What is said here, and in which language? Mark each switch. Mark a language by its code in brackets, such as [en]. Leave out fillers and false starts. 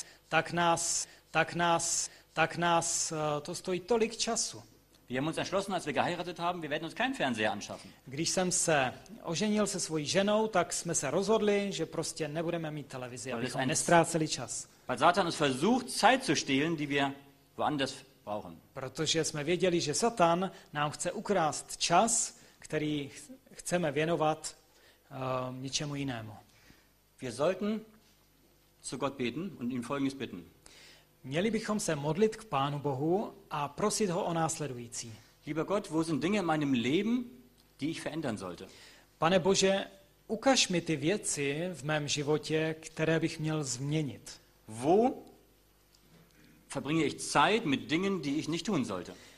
[cs] Tak nás, to stojí tolik času. [de] Wir haben uns entschlossen, als wir geheiratet haben, wir werden uns keinen Fernseher anschaffen. [cs] Když jsem se oženil se svojí ženou, tak jsme se rozhodli, že prostě nebudeme mít televizi, abychom nestráceli čas. [de] Weil Satan uns versucht, Zeit zu stehlen, die wir woanders brauchen. [cs] Protože jsme věděli, že Satan nám chce ukrást čas, který chceme věnovat něčemu jinému. [de] Wir sollten zu Gott beten und ihn Folgendes bitten. [cs] Měli bychom se modlit k Pánu Bohu a prosit ho o následující. [de] Lieber Gott, wo sind Dinge in meinem Leben, die ich verändern sollte? [cs] Pane Bože, ukaž mi ty věci v mém životě, které bych měl změnit. [de] Wo verbringe ich Zeit mit Dingen, die ich nicht tun sollte?